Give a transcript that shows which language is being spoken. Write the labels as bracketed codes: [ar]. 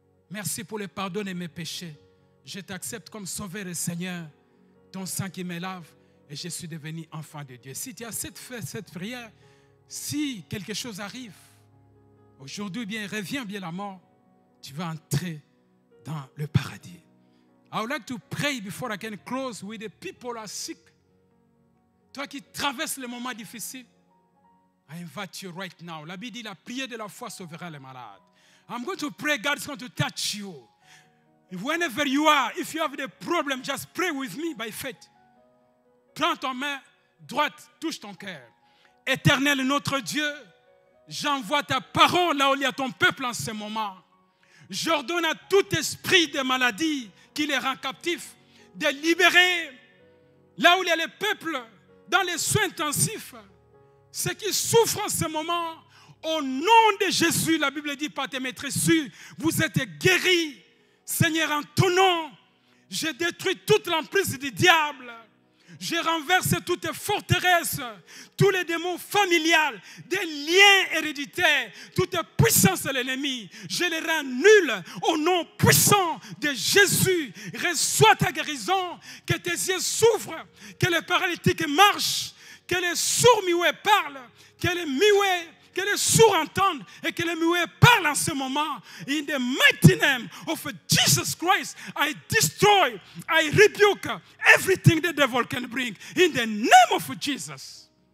[fr] Merci pour le pardon de mes péchés. Je t'accepte comme sauveur et Seigneur, ton sang qui me lave. Et je suis devenu enfant de Dieu. Si tu as cette prière, si quelque chose arrive, aujourd'hui, bien, reviens bien la mort, tu vas entrer dans le paradis. [en] I would like to pray before I can close with the people who are sick. [fr] Toi qui traverses les moments difficiles, [en] I invite you right now. [fr] La Bible dit, la prière de la foi sauvera les malades. [en] I'm going to pray, God is going to touch you. Whenever you are, if you have the problem, just pray with me by faith. [fr] Prends ta main droite, touche ton cœur. Éternel notre Dieu, j'envoie ta parole là où il y a ton peuple en ce moment. J'ordonne à tout esprit de maladie qui les rend captifs, de libérer là où il y a le peuple, dans les soins intensifs, ceux qui souffrent en ce moment. Au nom de Jésus, la Bible dit par tes maîtresses, vous êtes guéris. Seigneur, en ton nom, j'ai détruit toute l'emprise du diable. Je renverse toutes les forteresses, tous les démons familiales, des liens héréditaires, toute puissance de l'ennemi. Je les rends nuls au nom puissant de Jésus. Reçois ta guérison, que tes yeux s'ouvrent, que les paralytiques marchent, que les sourds muets parlent, que les sourds entendent et que les muets parlent en ce moment. [en] In the mighty name of Jesus Christ, I destroy, I rebuke everything the devil can bring. In the name of Jesus.